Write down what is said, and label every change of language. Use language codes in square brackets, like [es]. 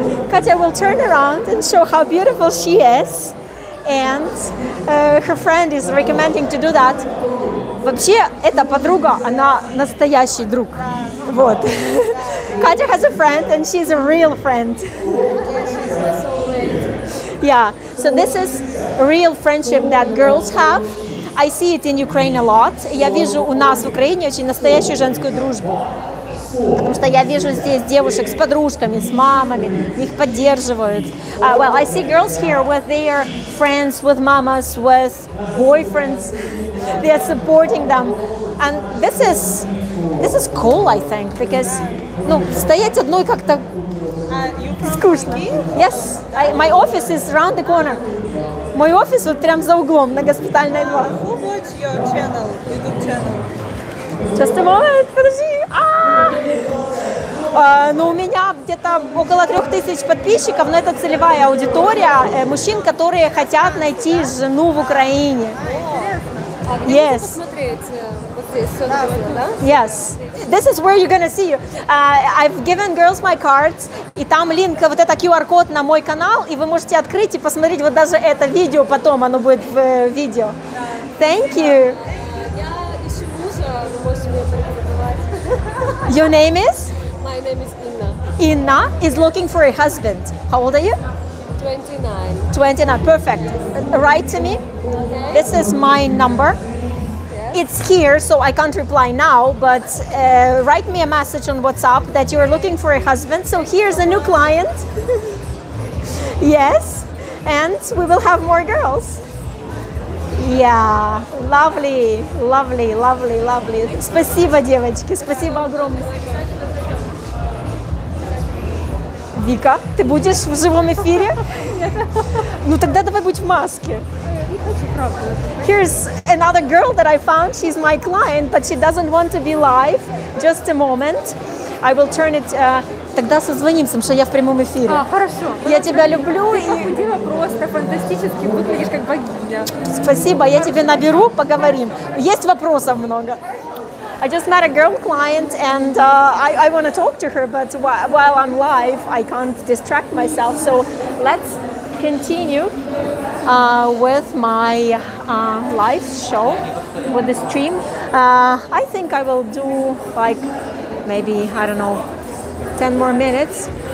[en] Катя will turn around and show how beautiful she is. And her friend is recommending to do that. [ru] Вообще, эта подруга, она настоящий друг. Вот. [en] Katya has a friend, and she's a real friend. Yeah, so this is real friendship that girls have. I see it in Ukraine a lot. [ru] Я вижу у нас в Украине очень настоящую женскую дружбу. Потому что я вижу здесь девушек с подружками, с мамами, их поддерживают. [en] Well, I see girls here with their friends, with mamas, with boyfriends. They are supporting them. And this is cool, I think, because... [ru] Ну, стоять одной как-то скучно. [en] Yes, my office is around the corner. [ru] Мой офис вот прям за углом на Госпитальной 2. [en] Who watch your channel, YouTube channel? Just a moment, [ru] подожди. Ну, у меня где-то около 3000 подписчиков, но это целевая аудитория мужчин, которые хотят найти жену в Украине. [en] Yes. [ru] Посмотреть вот здесь, вот это, да? [en] Yes. This is where you're gonna see you. I've given girls my cards. [ru] И там линк, вот это QR-код на мой канал, и вы можете открыть и посмотреть вот даже это видео потом, оно будет в видео. [en] Thank you. [ru] Я ищу мужа, вы можете мне порекомендовать. [en] Your name is? My name is Inna. Inna is looking for a husband. How old are you? 29. 29, perfect. Write to me. Okay. This is my number. Yes. It's here, so I can't reply now, but write me a message on WhatsApp that you are looking for a husband. So here's a new client. Yes, and we will have more girls. Yeah, lovely, lovely, lovely, lovely. [ru] Спасибо, девочки, спасибо огромное. Вика, ты будешь в живом эфире? Ну тогда давай будь в маске. [en] Here's another girl that I found. She's my client, but she doesn't want to be live. Just a moment. I will turn it... [ru] Тогда созвонимся, потому что я в прямом эфире. Хорошо. Я тебя люблю. Ты похудела просто фантастически, выглядишь как богиня. Спасибо, я тебе наберу, поговорим. Есть вопросов много. [en] I just met a girl client and I want to talk to her, but while I'm live, I can't distract myself. So let's continue with my live show. with the stream. I think I will do like maybe, I don't know, 10 more minutes.